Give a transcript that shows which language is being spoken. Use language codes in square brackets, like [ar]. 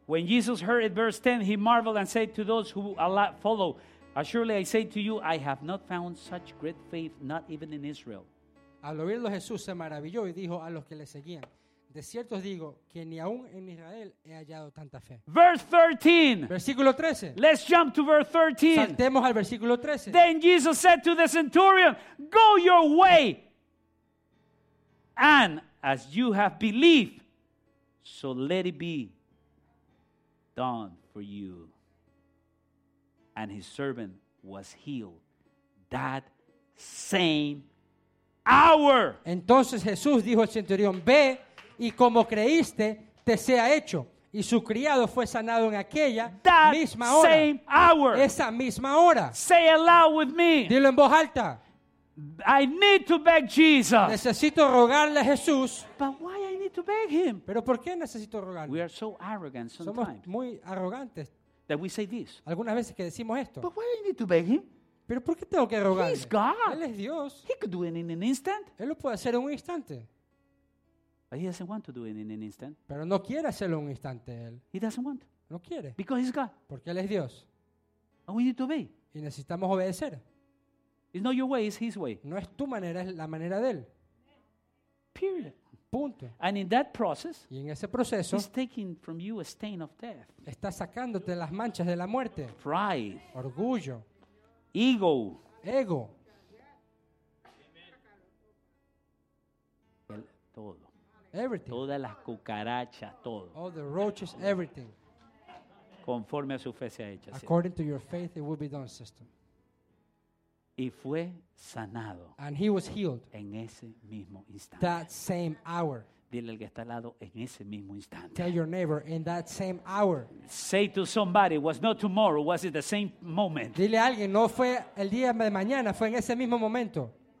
[en] When Jesus heard it, verse 10, he marveled and said to those who Allah follow, "Assuredly I say to you, I have not found such great faith, not even in Israel." [es] Al oírlo Jesús se maravilló y dijo a los que le seguían, "De cierto os digo que ni aún en Israel he hallado tanta fe." [en] Verse 13. [es] Versículo 13. [en] Let's jump to verse 13. [es] Saltemos al versículo 13. [en] Then Jesus said to the centurion, "Go your way, and as you have believed, so let it be done for you." And his servant was healed that same hour. [es] Entonces Jesús dijo al centurión, "Ve y como creíste, te sea hecho." Y su criado fue sanado en aquella [en] that [es] misma hora. [en] Same hour. [es] Esa misma hora. [en] Say aloud with me. [es] Dilo en voz alta. [en] I need to beg Jesus. [es] Necesito rogarle a Jesús. [en] But why I need to beg him? [es] Pero ¿por qué necesito rogarle? [en] We are so arrogant sometimes. [es] Somos muy arrogantes. [en] That we say this. [es] Algunas veces que decimos esto. [en] But why I need to beg him? [es] Pero ¿por qué tengo que rogarle? [en] He's God. [es] Él es Dios. [en] He could do it in an instant. [es] Él lo puede hacer en un instante. [en] But he doesn't want to do it in an instant. [es] Pero no quiere hacerlo en un instante él. [en] He doesn't want. [es] No quiere. [en] Because he's God. [es] Porque él es Dios. [en] And we need to obey. [es] Y necesitamos obedecer. [en] It's not your way, it's his way. [es] No es tu manera, es la manera de él. [en] Period. [es] Punto. [en] And in that process, [es] y en ese proceso, [en] he's taking from you a stain of death. [es] Está sacándote las manchas de la muerte. [en] Pride. [es] Orgullo. [en] Ego. [es] Ego. El, todo. [en] Everything. [es] Todas las cucarachas, todo. [en] All the roaches, everything. [es] Conforme a su fe sea hecha. [en] According to your faith, it will be done, sister. [es] Y fue sanado. [en] And he was healed. [es] En ese mismo instante. [en] That same hour. [es] Dile al que está al lado, en ese mismo instante. [en] Tell your neighbor, in that same hour. Say to somebody, it was not tomorrow, was it the same moment? [es] Dile a alguien, no fue el día de mañana, fue en ese mismo momento.